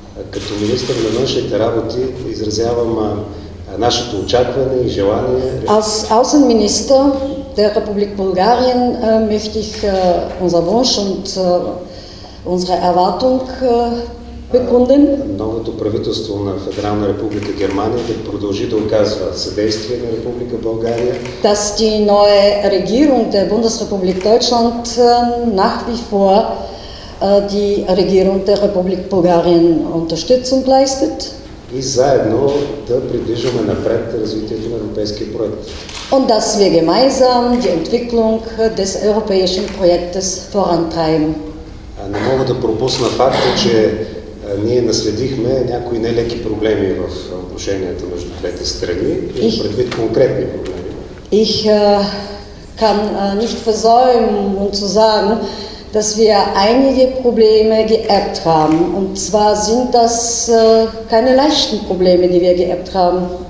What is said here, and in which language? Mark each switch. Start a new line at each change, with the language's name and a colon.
Bulgarian: Като министър на външните работи изразявам нашето очакване и желание.
German: Als Außenminister der Republik Bulgarien möchte ich unser Wunsch und unsere Erwartung bekunden.
Bulgarian: Новото правителство на Федерална република Германия да продължи да оказва съдействие на Република България.
German: Dass die neue Regierung der Bundesrepublik Deutschland nach wie vor die Regierung der Republik Bulgarien Unterstützung leistet.
Bulgarian: И заедно да придвижваме напред развитието на европейския проект.
German: Und dass wir gemeinsam die Entwicklung des europäischen Projektes vorantreiben.
Bulgarian: Не мога да пропусна факта, че ние наследихме някои нелеки проблеми в отношенията между двете страни, предвид конкретни проблеми.
German: Ich kann nicht versäumen und zu sagen, dass wir einige Probleme geerbt haben. Und zwar sind das keine leichten Probleme, die wir geerbt haben.